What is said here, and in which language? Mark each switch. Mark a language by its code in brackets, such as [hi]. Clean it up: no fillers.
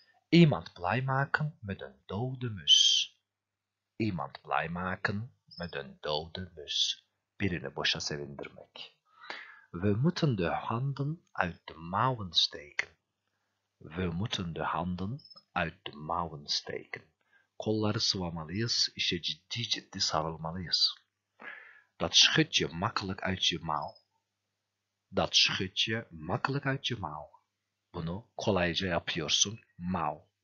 [nl] İmant blij maken met een dode mus. İmant blij maken met een dode mus. [tr] Birini boşa sevindirmek. [nl] We moeten de handen uit de mouwen steken. We moeten de handen uit de mouwen steken. [tr] Kolları sıvamalıyız, işe ciddi ciddi sarılmalıyız. [nl] Dat schud je makkelijk uit je mouw. Dat schud je makkelijk uit je mouw. [tr] Bunu kolayca yapıyorsun, mouw.